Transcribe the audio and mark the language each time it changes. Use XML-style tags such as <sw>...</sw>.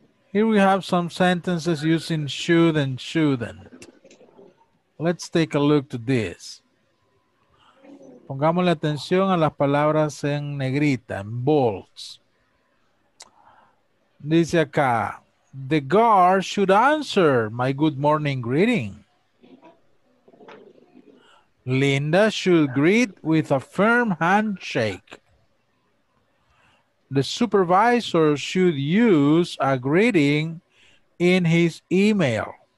<en>Here we have some sentences using should and shouldn't. Let's take a look to this.</en> <es>Pongamos la atención a las palabras en negrita, en bolds. Dice acá,</es> <en>the guard should answer my good morning greeting. Linda should greet with a firm handshake. The supervisor should use a greeting in his email.</en>